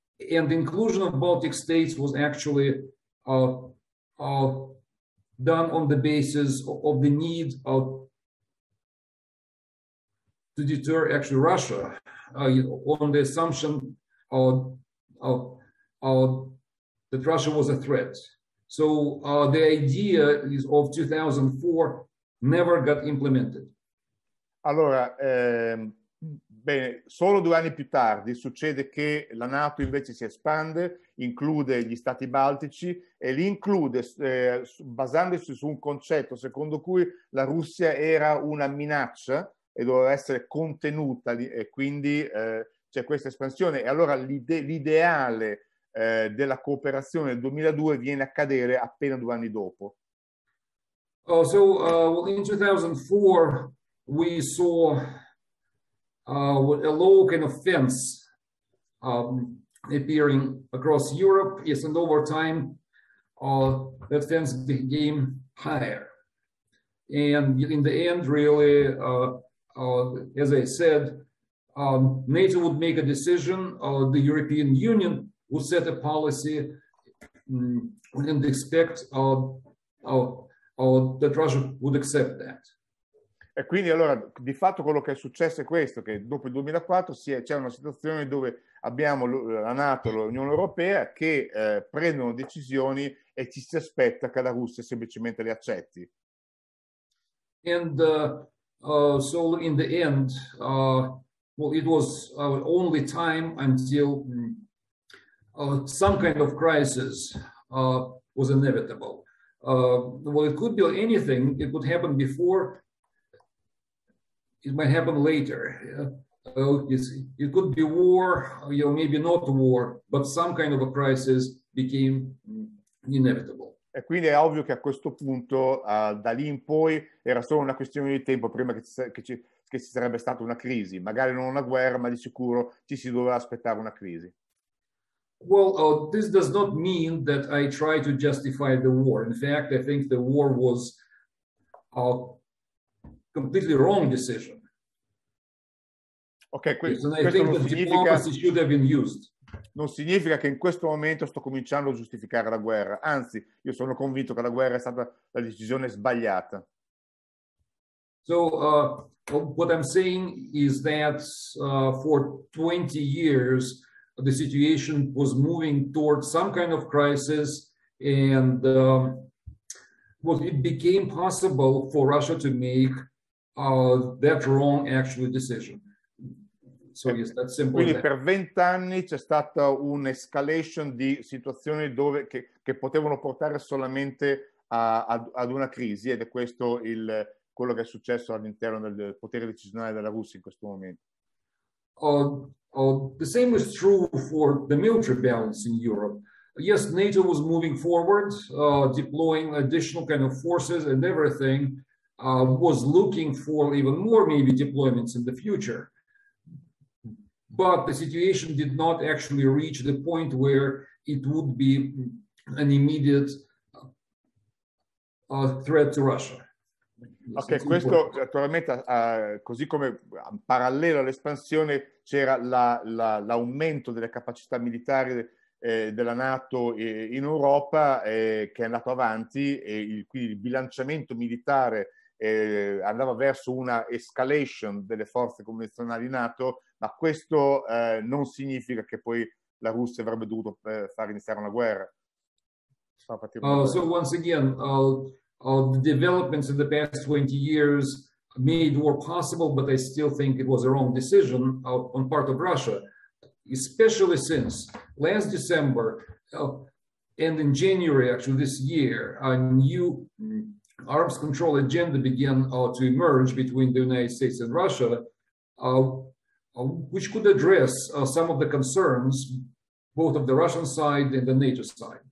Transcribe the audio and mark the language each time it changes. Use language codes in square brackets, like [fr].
[en] And the inclusion of Baltic states was actually done on the basis of the need of to deter actually Russia, on the assumption that Russia was a threat. So the idea is of 2004 never got implemented. [it] Allora, bene, solo 2 anni più tardi succede che la NATO invece si espande, include gli stati baltici e li include basandosi su un concetto secondo cui la Russia era una minaccia e doveva essere contenuta, e quindi c'è questa espansione. E allora l'ideale della cooperazione del 2002 viene a cadere appena 2 anni dopo. [en] In 2004 we saw a low kind of fence appearing across Europe, yes, and over time that fence became higher, and in the end really as I said, NATO would make a decision, the European Union would set a policy and expect that Russia would accept that. [it] E quindi allora, di fatto quello che è successo è questo, che dopo il 2004 c'è una situazione dove abbiamo la NATO, l'Unione Europea, che prendono decisioni e ci si aspetta che la Russia semplicemente le accetti. [en] And so in the end, it was only time until some kind of crisis was inevitable. It could be anything. It could happen before. It might happen later. It could be war, maybe not war, but some kind of a crisis became inevitable. [it] E quindi è ovvio che a questo punto, da lì in poi, era solo una questione di tempo prima che che ci sarebbe stata una crisi, magari non una guerra, ma di sicuro ci si doveva aspettare una crisi. [en] Well, this does not mean that I try to justify the war. In fact, I think the war was a completely wrong decision. [it] Okay, questo, [en] and I think that diplomacy should have been used. [it] Non significa che in questo momento sto cominciando a giustificare la guerra. Anzi, io sono convinto che la guerra è stata la decisione sbagliata. [en] So, what I'm saying is that for 20 years the situation was moving towards some kind of crisis, and it became possible for Russia to make that wrong actual decision. So, yes, that's simple. [it] Quindi per 20 anni c'è stata un'escalation di situazioni dove che potevano portare solamente ad una crisi, ed è questo il quello che è successo all'interno del potere decisionale della Russia in questo momento. [en] The same is true for the military balance in Europe. Yes, NATO was moving forward, deploying additional kind of forces, and everything was looking for even more maybe deployments in the future. But the situation did not actually reach the point where it would be an immediate threat to Russia. [it] Ok, questo naturalmente, così come in parallelo all'espansione c'era l'aumento delle capacità militari della NATO in Europa, che è andato avanti, e quindi il bilanciamento militare andava verso una escalation delle forze convenzionali NATO, ma questo non significa che poi la Russia avrebbe dovuto far iniziare una guerra. [en] So once again, the developments in the past 20 years made war possible, but I still think it was a wrong decision on part of Russia, especially since last December and in January, actually this year, a new arms control agenda began to emerge between the United States and Russia, which could address some of the concerns both of the Russian side and the NATO side.